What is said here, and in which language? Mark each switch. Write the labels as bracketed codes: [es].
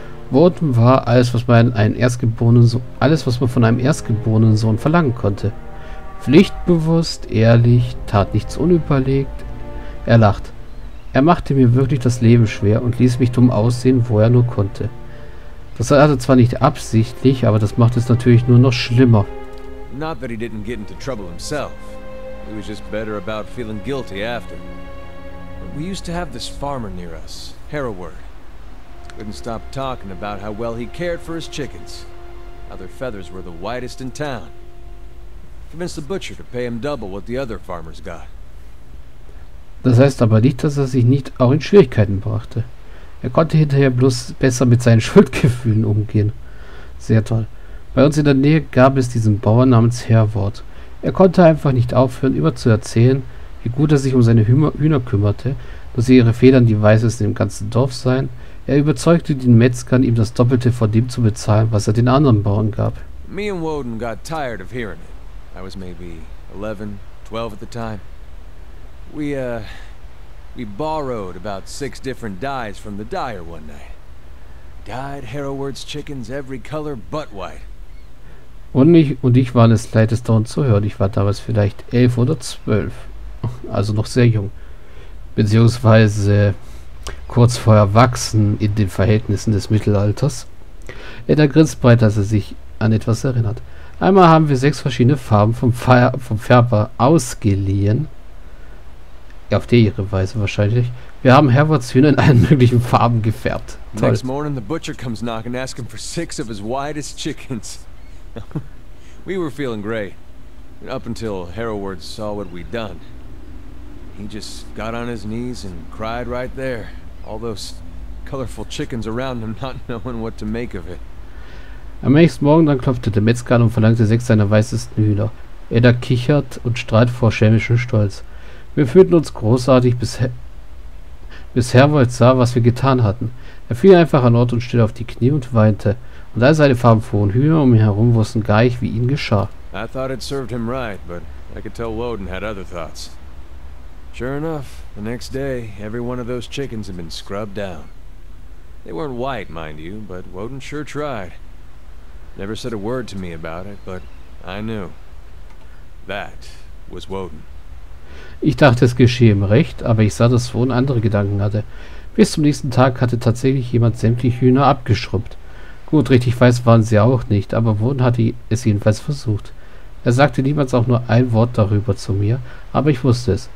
[de] Worden war alles, was man einen Erstgeborenen so, alles, was man von einem erstgeborenen Sohn verlangen konnte. Pflichtbewusst, ehrlich, tat nichts unüberlegt. Er lacht. Er machte mir wirklich das Leben schwer und ließ mich dumm aussehen, wo er nur konnte. Das hat er zwar nicht absichtlich, aber das macht es natürlich nur noch schlimmer. [en] Not that he didn't get into trouble himself. He was just better about feeling guilty after. But we used to have this farmer near us, Harroward. Couldn't stop talking about how well he cared for his chickens. How their feathers were the whitest in town. Convinced the butcher to pay him double what the other farmers got. [de] Das heißt aber nicht, dass er sich nicht auch in Schwierigkeiten brachte. Er konnte hinterher bloß besser mit seinen Schuldgefühlen umgehen. Sehr toll. Bei uns in der Nähe gab es diesen Bauern namens Harroward. Er konnte einfach nicht aufhören, über zu erzählen, wie gut er sich um seine Hühner kümmerte, dass ihre Federn die weißesten im ganzen Dorf seien. Er überzeugte den Metzgern, ihm das Doppelte von dem zu bezahlen, was er den anderen Bauern gab. [en] Me and Woden got tired of hearing it. I was maybe 11, 12 at the time. We borrowed about 6 different dyes from the dyer one night. Dyed Harroward's chickens every color but white. [de] Und ich war es leid, es dauernd zu hören. Ich war damals vielleicht 11 oder 12. Also noch sehr jung. Beziehungsweise kurz vor Erwachsen in den Verhältnissen des Mittelalters. Edda grinst breit, als er sich an etwas erinnert. Einmal haben wir 6 verschiedene Farben vom Färber ausgeliehen. Auf die ihre Weise wahrscheinlich. Wir haben Harroward's Hühner in allen möglichen Farben gefärbt. Toll. [en] Next morning the butcher comes knocking and asking for 6 of his whitest chickens. We were feeling great. Up until Harroward saw what we'd done. He just got on his knees and cried right there. All those colorful chickens around him not knowing what to make of it. [de] Am nächsten Morgen dann klopfte der Metzger und verlangte 6 seiner weißesten Hühner. Edda kichert und strahlt vor schelmischem Stolz. Wir fühlten uns großartig, bis Harroward sah, was wir getan hatten. Er fiel einfach an Ort und Stelle auf die Knie und weinte. Und all seine farbenfrohen Hühner um ihn herum wussten gar nicht, wie ihnen geschah. [en] I thought it served him right, but I could tell Woden had other thoughts. Sure enough, the next day, every one of those chickens had been scrubbed down. They weren't white, mind you, but Woden sure tried. Never said a word to me about it, but I knew. That was Woden. [de] Ich dachte, es geschehe ihm recht, aber ich sah, dass Woden andere Gedanken hatte. Bis zum nächsten Tag hatte tatsächlich jemand sämtliche Hühner abgeschrubbt. Gut, richtig weiß waren sie auch nicht, aber Woden hatte es jedenfalls versucht. Er sagte niemals auch nur ein Wort darüber zu mir, aber ich wusste es.